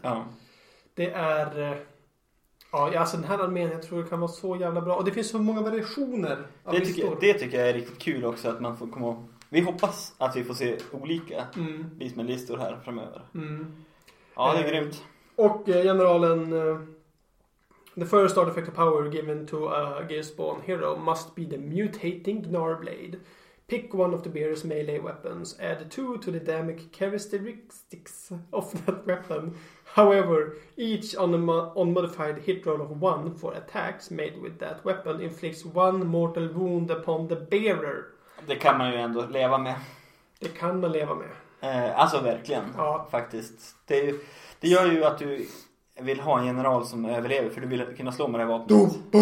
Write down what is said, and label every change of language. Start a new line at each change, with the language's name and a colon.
Swedish: Ja. Det är Ja, alltså den här armén, jag tror det kan vara så jävla bra. Och det finns så många variationer. Det tycker jag är riktigt kul också, att man får komma. Vi hoppas att vi får se olika Beastmen-listor här framöver. Mm. Ja, det är grymt. Och generalen...
English: The first artifact of power given to a Gearspawn hero must be the mutating Gnarblade. Pick one of the bearer's melee weapons. Add two to the damage characteristics of that weapon. However, each on modified hit roll of one for attacks made with that weapon inflicts one mortal wound upon the bearer.
Swedish: Det kan man ju ändå leva med. Det kan man leva med. Alltså verkligen, ja. Faktiskt. Det gör ju att du vill ha en general som överlever, för du vill kunna slå med det vapnet.